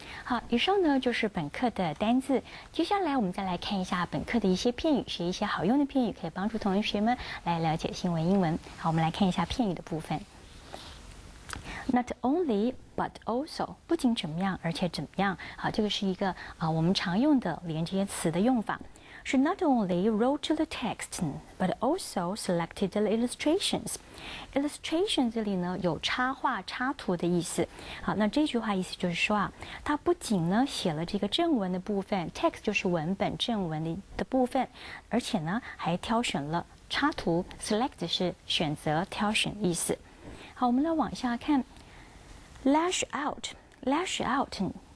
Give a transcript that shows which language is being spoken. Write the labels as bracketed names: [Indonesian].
[Chinese] 好，以上呢就是本课的单字。接下来我们再来看一下本课的一些片语，学一些好用的片语，可以帮助同学们来了解新闻英文。好，我们来看一下片语的部分。 [English] Not only, but also， [Chinese] 不仅怎么样，而且怎么样。好，这个是一个我们常用的连接词的用法。 [English] She not only wrote the text, but also selected the illustrations. [Chinese] Illustration 这里呢有插画、插图的意思。好，那这句话意思就是说啊，她不仅呢写了这个正文的部分 ，text 就是文本、正文的部分，而且呢还挑选了插图 ，select 是选择、挑选意思。好，我们来往下看 ， [English] lash out。